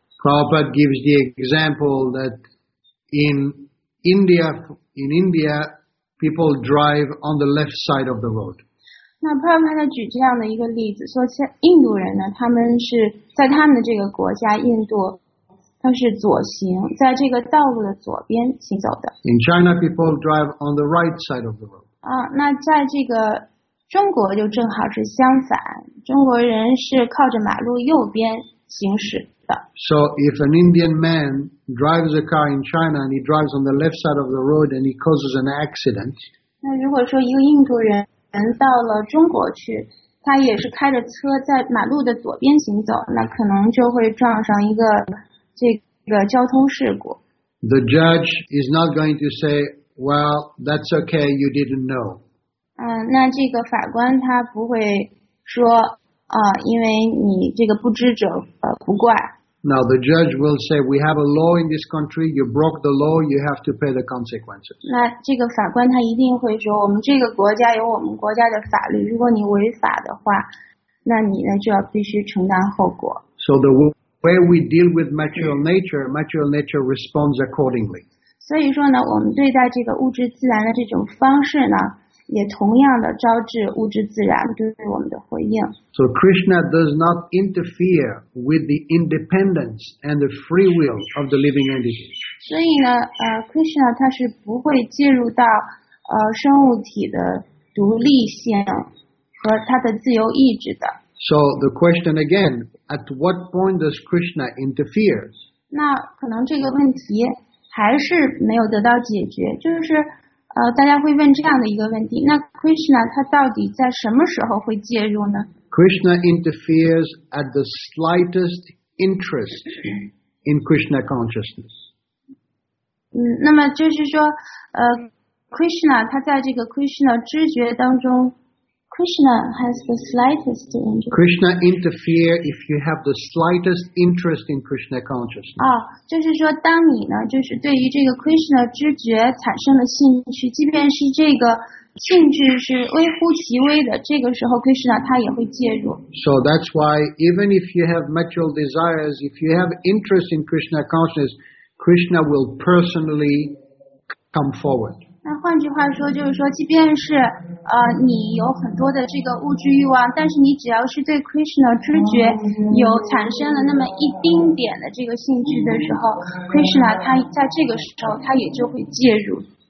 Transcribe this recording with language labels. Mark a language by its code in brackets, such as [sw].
[en] Prabhupada gives the example that in India, people drive on the left side of the road. [zh] 那 Prabhupada 举这样的一个例子，说像印度人呢，他们是在他们的这个国家印度。它是左行，在这个道路的左边行走的。 [en] In China, people drive on the right side of the road. [zh] 那在这个中国就正好是相反，中国人是靠着马路右边行驶的。 [en] So if an Indian man drives a car in China and he drives on the left side of the road and he causes an accident. [zh] 那如果说一个印度人到了中国去，他也是开着车在马路的左边行走，那可能就会撞上一个。这个交通事故。 [en] The judge is not going to say, "Well, that's okay, you didn't know." [zh] 那这个法官他不会说啊，因为你这个不知者不怪。 [en] Now the judge will say, "We have a law in this country. You broke the law. You have to pay the consequences." [zh] 那这个法官他一定会说，我们这个国家有我们国家的法律。如果你违法的话，那你呢就要必须承担后果。 [en] So the way we deal with material nature responds accordingly. [zh] 所以说呢，我们对待这个物质自然的这种方式呢，也同样的招致物质自然对我们的回应。 [en] So Krishna does not interfere with the independence and the free will of the living entity. [zh] 所以呢，Krishna 他是不会介入到生物体的独立性和他的自由意志的。 [en] So the question again, at what point does Krishna interfere? [zh] 那可能这个问题还是没有得到解决，就是。大家会问这样的一个问题，那 Krishna 他到底在什么时候会介入呢？ [en] Krishna interferes at the slightest interest in Krishna consciousness. [zh] 那么就是说Krishna 他在这个 Krishna 知觉当中， [en] Krishna has the slightest interest. Krishna interferes if you have the slightest interest in Krishna consciousness. [zh] 就是说当你呢就是对于这个 Krishna 知觉产生了兴趣，即便是这个兴趣是微乎其微的，这个时候 Krishna 他也会介入。 [en] So that's why even if you have material desires, if you have interest in Krishna consciousness, Krishna will personally come forward. [zh] 那换句话说就是说即便是你有很多的这个物质欲望，但是你只要是对 Krishna 知觉有产生了那么一丁点的这个兴趣的时候， Krishna 他在这个时候他也就会介入。